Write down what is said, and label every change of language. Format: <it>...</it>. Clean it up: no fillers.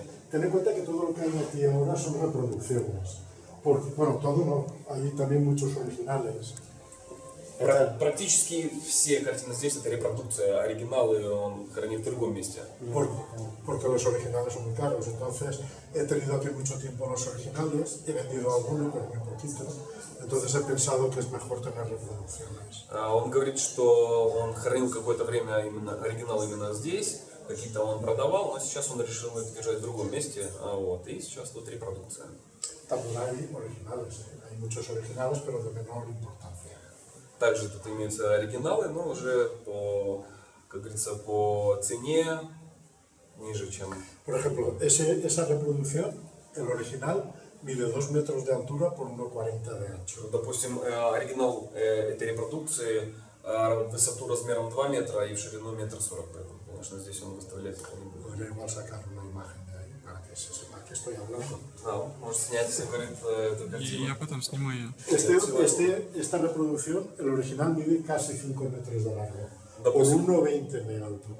<es>Ten en cuenta que todo lo que hay aquí ahora son reproducciones porque bueno todo no hay también muchos originales</es> <ru>Практически все картины здесь это репродукция оригиналы он хранит в другом месте</ru> <es>porque los originales son muy caros entonces he tenido aquí mucho tiempo los originales he vendido algunos pero muy poquitos Entonces he pensado que es mejor tener reproducciones.</es> <ru>Он говорит, что он хранил какое-то время именно оригинал именно здесь, какие-то он продавал, но сейчас он решил их держать в другом месте, вот, и сейчас тут репродукция. Там</ru> <es>hay originales, hay muchos originales, pero de menor importancia.</es> <ru>Также тут имеются оригиналы, но уже по, как говорится, по цене ниже, чем...</ru> <es>Por ejemplo, esa reproducción, el original, Mide 2 metros de altura por 1,40 de ancho.</es> <ru>Допустим, оригинал этой репродукции высоту размером 2 метра и в ширину 1,40 метра. Конечно, здесь он выставляет какой-нибудь. Можно его сакать на имахе, да, на кесе, на кесе, что я говорю. Да, может снять, если говорит эту картину. И я потом сниму ее.</ru> <es>Esta reproducción, el original, mide casi 5 metros de largo.</es> <ru>Допустим,</ru> <es>1,20 de alto.</es>